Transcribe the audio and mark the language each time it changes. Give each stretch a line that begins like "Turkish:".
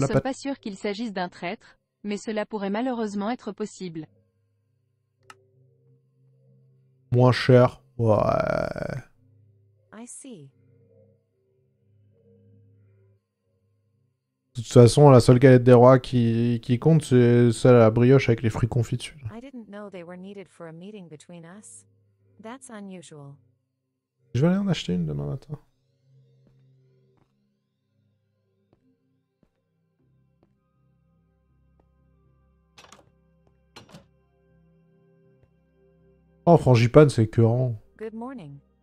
French: ne sommes pas sûrs qu'il s'agisse d'un traître, mais cela pourrait malheureusement être possible. Moins cher. Ouais.
English: I see.
French: De toute façon, la seule galette des rois qui compte, c'est celle à la brioche avec les fruits confits.
English: I didn't know they were needed for a meeting between us. That's unusual.
French: Je vais aller en acheter une demain matin. Oh, frangipane, c'est écœurant.
English: Good morning.